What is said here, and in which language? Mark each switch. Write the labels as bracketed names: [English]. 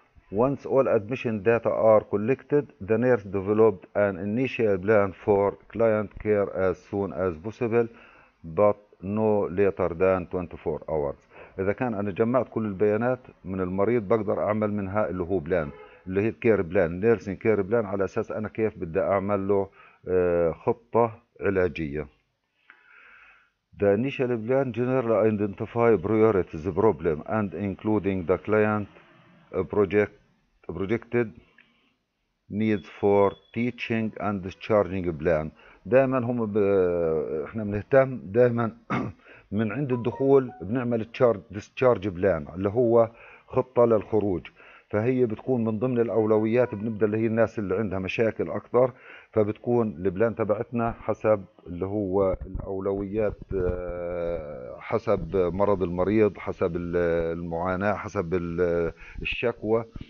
[English] Once all admission data are collected, the nurse developed an initial plan for client care as soon as possible, but no later than 24 hours. [Arabic] إذا كان أنا جمعت كل البيانات من المريض بقدر أعمل منها اللي هو بلان، اللي هي كير بلان، [English] nursing care plan, [Arabic] على أساس أنا كيف بدي أعمل له خطة علاجية. [English] The initial plan generally identify priorities problem and including the client projected needs for teaching and discharging plan. [Arabic] دائما هم احنا بنهتم دائما من عند الدخول بنعمل discharge plan اللي هو خطة للخروج، فهي بتكون من ضمن الأولويات بنبدأ اللي هي الناس اللي عندها مشاكل أكثر، فبتكون البلان تبعتنا حسب اللي هو الأولويات حسب مرض المريض حسب المعاناة حسب الشكوى.